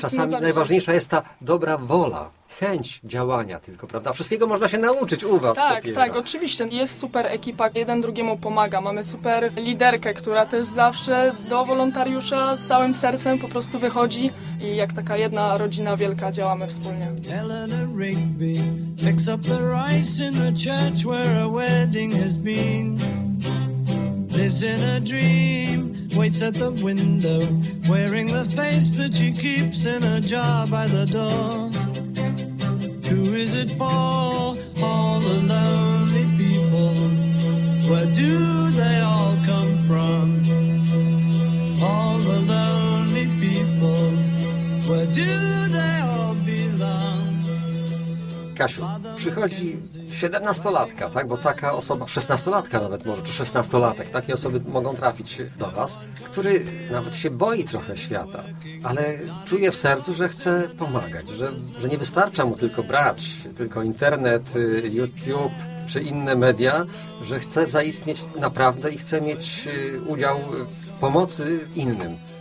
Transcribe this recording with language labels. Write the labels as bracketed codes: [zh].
[pl] czasami najważniejsza jest ta dobra wola, chęć działania tylko, prawda? Wszystkiego można się nauczyć u was. Tak, dopiero. Tak, oczywiście. Jest super ekipa, jeden drugiemu pomaga. Mamy super liderkę, która też zawsze do wolontariusza z całym sercem po prostu wychodzi i jak taka jedna rodzina wielka działamy wspólnie. [en] Helena Rigby picks up the rice in the church where a wedding has been. Lives in a dream, waits at the window, wearing the face that she keeps in a jar by the door. Who is it for? All the lonely people, where do they all come from? All the lonely people, where do they all belong? [pl] Kasiu, przychodzi 17-latka, tak? Bo taka osoba, 16-latka nawet może, czy 16-latek, takie osoby mogą trafić do was, który nawet się boi trochę świata, ale czuje w sercu, że chce pomagać, że nie wystarcza mu tylko brać, tylko internet, YouTube czy inne media, że chce zaistnieć naprawdę i chce mieć udział w pomocy innym.